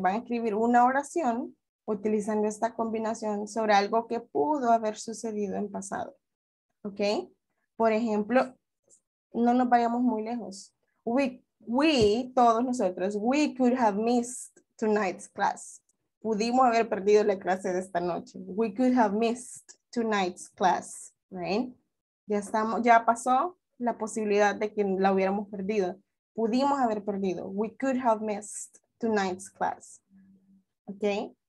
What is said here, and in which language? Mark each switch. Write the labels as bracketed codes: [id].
[es] Van a escribir una oración utilizando esta combinación sobre algo que pudo haber sucedido en pasado. Ok. Por ejemplo, no nos vayamos muy lejos. [en] We, [es] todos nosotros, [en] we could have missed tonight's class. [es] Pudimos haber perdido la clase de esta noche. [en] We could have missed tonight's class, right? [es] Ya estamos, ya pasó la posibilidad de que la hubiéramos perdido. Pudimos haber perdido. [en] We could have missed tonight's class. Okay?